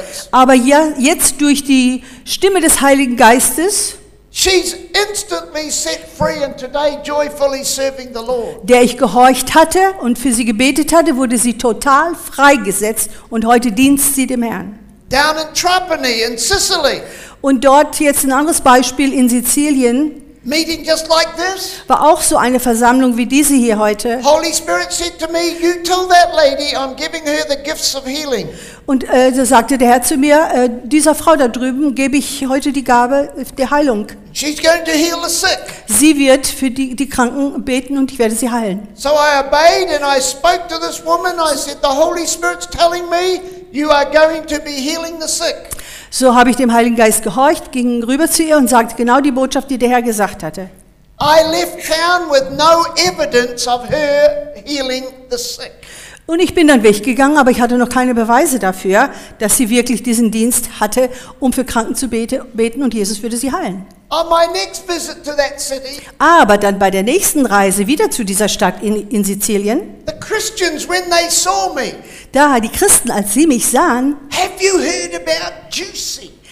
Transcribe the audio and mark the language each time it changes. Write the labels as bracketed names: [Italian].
[German] Aber ja, jetzt durch die Stimme des Heiligen Geistes, [English] she's instantly set free and today joyfully serving the Lord. [German] Der ich gehorcht hatte und für sie gebetet hatte, wurde sie total freigesetzt und heute dient sie dem Herrn. [English] Down in Trapani in Sicily. [German] Und dort jetzt ein anderes Beispiel in Sizilien. [English] Meeting just like this. [German] War auch so eine Versammlung wie diese hier heute. [English] Holy Spirit said to me, you tell that lady I'm giving her the gifts of healing. [German] Und da sagte der Herr zu mir, dieser Frau da drüben gebe ich heute die Gabe der Heilung. [English] She's going to heal the sick. [German] Sie wird für die Kranken beten und ich werde sie heilen. [English] So I obeyed and I spoke to this woman. I said, the Holy Spirit's telling me you are going to be healing the sick. [German] So habe ich dem Heiligen Geist gehorcht, ging rüber zu ihr und sagte genau die Botschaft, die der Herr gesagt hatte. [English] I left town with no evidence of her healing the sick. [German] Und ich bin dann weggegangen, aber ich hatte noch keine Beweise dafür, dass sie wirklich diesen Dienst hatte, um für Kranken zu beten und Jesus würde sie heilen. [English] On my next visit to that city, [German] aber dann bei der nächsten Reise wieder zu dieser Stadt in Sizilien, [English] the Christians, when they saw me, [German] da die Christen, als sie mich sahen, [English] have you heard about Juicy?